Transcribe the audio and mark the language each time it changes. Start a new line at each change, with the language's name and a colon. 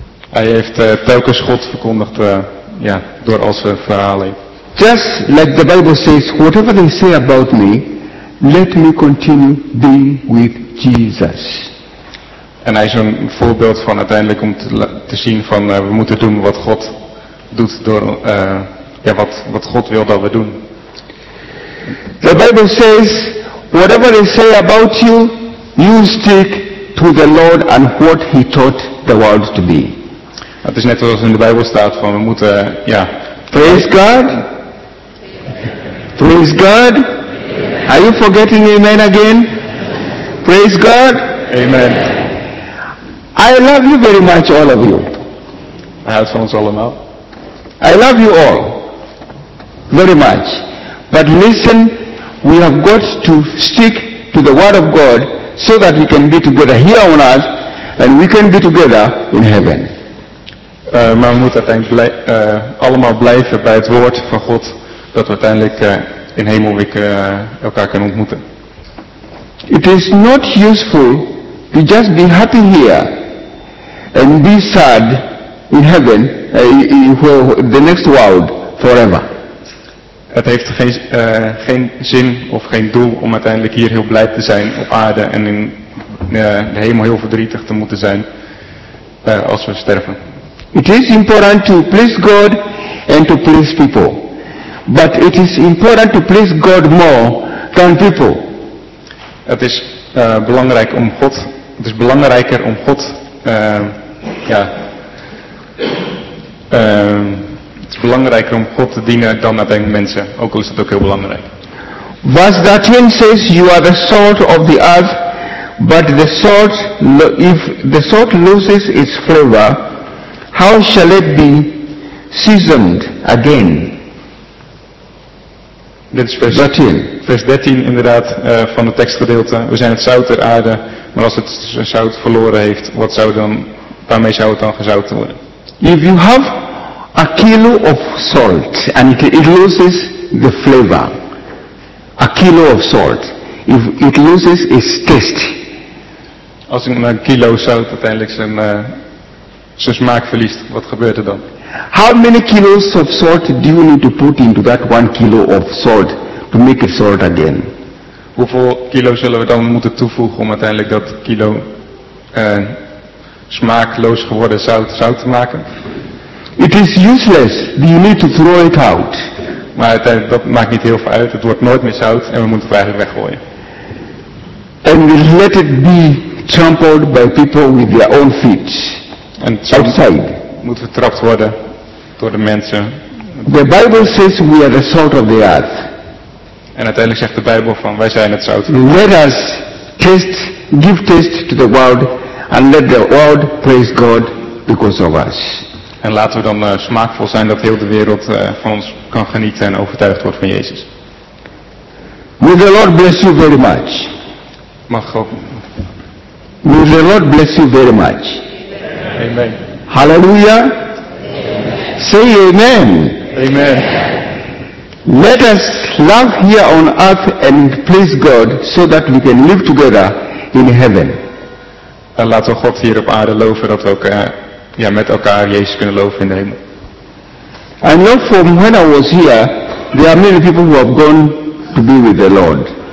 Dutch: Hij heeft telkens God verkondigd ja, door al zijn verhalen.
English: Just like the Bible says, whatever they say about me, let me continue being with Jesus.
Dutch: En hij is een voorbeeld van uiteindelijk om te zien van we moeten doen wat God doet door ja, wat God wil dat we doen.
English: The Bible says, whatever they say about you, you stick to the Lord and what he taught the world to be.
Dutch: Het is net zoals in de Bijbel staat van we moeten, ja.
English: Praise God. Praise God. Are you forgetting amen again? Praise God. Amen. I love you very much, all of you.
Dutch: Hij houdt van ons allemaal.
English: I love you all. Very much. But listen, we have got to stick to the word of God so that we can be together here on earth and we can be together in heaven.
Dutch: Maar we moeten uiteindelijk allemaal blijven bij het woord van God dat we uiteindelijk in hemel weer elkaar kunnen ontmoeten.
English: It is not useful to just be happy here and be sad in heaven, in the next world, forever.
Dutch: Het heeft geen zin of geen doel om uiteindelijk hier heel blij te zijn op aarde en in de hemel heel verdrietig te moeten zijn als we sterven.
English: It is important to please God and to please people. But it is important to please God more than people.
Dutch: Het is belangrijk om God. Het is belangrijker om God. Het is belangrijker om God te dienen dan uiteindelijk mensen. Ook al is het ook heel belangrijk.
English: Verse 13 says, you are the salt of the earth, but the salt, if the salt loses its flavor, how shall it be seasoned again?
Dutch: Dit is vers 13 inderdaad van het tekstgedeelte. We zijn het zout der aarde, maar als het zijn zout verloren heeft, wat zou dan, waarmee zou het dan gezouten worden?
English: If you have a kilo of salt and it loses the flavor, a kilo of salt, if it loses its taste.
Dutch: Als een kilo zout uiteindelijk zijn zijn smaak verliest, wat gebeurt er dan?
English: How many kilos of salt do you need to put into that one kilo of salt to make it salt again?
Dutch: Hoeveel kilo zullen we dan moeten toevoegen om uiteindelijk dat kilo smaakloos geworden zout te maken?
English: It is useless. You need to throw it out.
Dutch: Maar uiteindelijk, dat maakt niet heel veel uit. Het wordt nooit meer zout en we moeten het eigenlijk weggooien.
English: and we let it be trampled by people with their own feet.
Dutch: En zo
English: outside.
Dutch: Moet vertrapt worden door de mensen.
English: The Bible says we are the salt of the earth.
Dutch: En uiteindelijk zegt de Bijbel van wij zijn het zout.
English: Let us taste, give taste to the world and let the world praise God because of us.
Dutch: En laten we dan smaakvol zijn dat heel de wereld van ons kan genieten en overtuigd wordt van Jezus.
English: May the Lord bless you very much.
Dutch: Mag God.
English: May the Lord bless you very much. Amen. Hallelujah. Say amen. Amen. Let us love here on earth and please God so that we can live together in heaven.
Dutch: En laten we God hier op aarde loven dat we ook ja, met elkaar Jezus kunnen loven in de hemel.
English: I know from when I was here, there are many people who have gone to be with the Lord.